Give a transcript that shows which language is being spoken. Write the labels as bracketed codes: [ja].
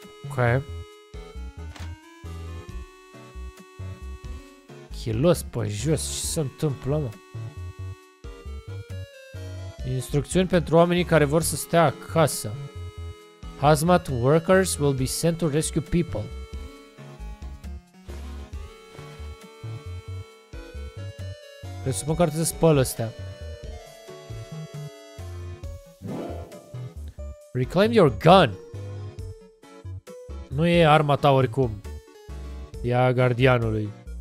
[ro] Ok. Chilos pe jos. Ce se întâmplă, mă? Instrucțiuni pentru oamenii care vor să stea acasă. [en] Hazmat workers will be sent to rescue people. [ro] Presupun că ar trebui să spăl astea. [en] Reclaim your gun. [ro] Nu e arma ta oricum. E a gardianului.